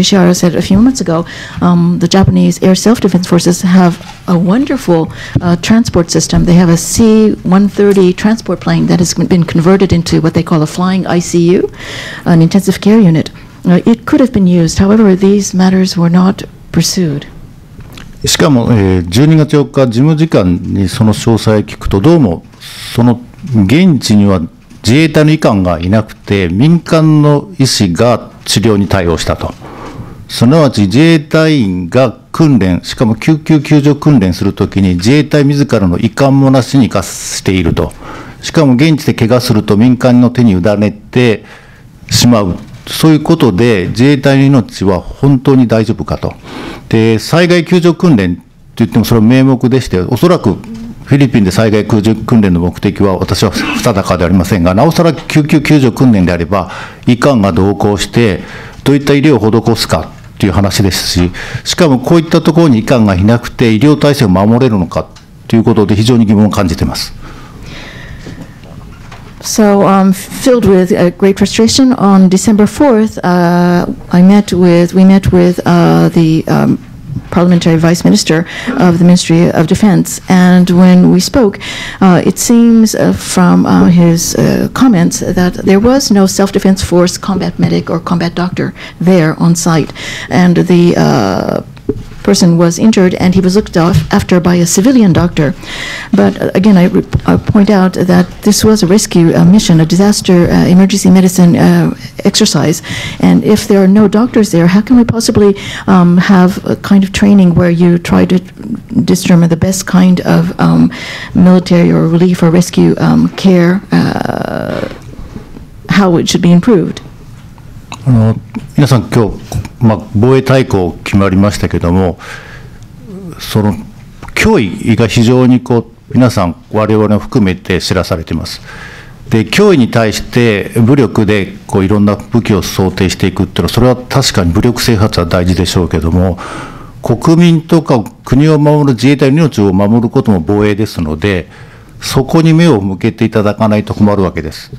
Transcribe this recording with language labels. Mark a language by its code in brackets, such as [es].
[en] Ishihara said a few moments ago, the Japanese Air Self-Defense Forces have a wonderful transport system. They have a C-130 transport plane that has been converted into what they call a flying ICU, an intensive care unit. It could have been used. However, these matters were not pursued. [ja] しかも、12月4日事務次官にその詳細を聞くと、どうもその現地には自衛隊の医官がいなくて、民間の医師が治療に対応したと。すなわち自衛隊員が訓練、しかも救急救助訓練するときに自衛隊自らの医官もなしに生かしていると。しかも現地で怪我すると民間の手に委ねてしまう。そういうことで自衛隊の命は本当に大丈夫かと。で、災害救助訓練といってもそれは名目でして、おそらくフィリピンで災害救助訓練の目的は私は不定かではありませんが、なおさら救急救助訓練であれば、医官が同行して、どういった医療を施すかという話ですし、しかもこういったところに医官がいなくて医療体制を守れるのかということで非常に疑問を感じています。 [en] So, filled with great frustration, on December 4th, we met with the Parliamentary Vice Minister of the Ministry of Defense. And when we spoke, it seems from his comments that there was no self-defense force combat medic or combat doctor there on site. And the person was injured and he was looked after by a civilian doctor. But again, I point out that this was a rescue mission, a disaster emergency medicine exercise. And if there are no doctors there, how can we possibly have a kind of training where you try to determine the best kind of military or relief or rescue care, how it should be improved? [ja] 皆さん今日、まあ、防衛大綱を決まりましたけれども、その脅威が非常にこう皆さん我々を含めて知らされています。で、脅威に対して武力でこういろんな武器を想定していくっていうのは、それは確かに武力制圧は大事でしょうけれども、国民とか国を守る自衛隊の命を守ることも防衛ですので、そこに目を向けていただかないと困るわけです。